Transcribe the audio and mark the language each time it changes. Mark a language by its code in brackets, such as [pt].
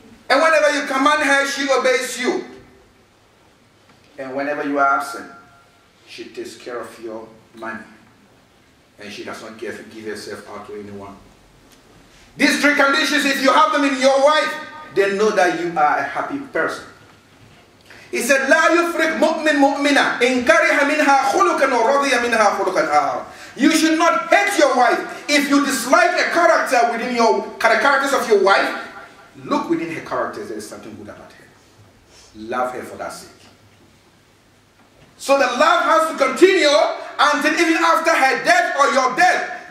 [en] And whenever you command her, she obeys you. And whenever you are absent, she takes care of your money. And she does not give herself out to anyone. These three conditions, if you have them in your wife, then know that you are a happy person. [ar] He said, لا يفرق مؤمن مؤمنة إن كره منها خلقا ورضي منها خلقا آخر. [en] You should not hate your wife. If you dislike a character within your characters of your wife, look within her characters, there is something good about her. Love her for that sake. So the love has to continue until even after her death or your death.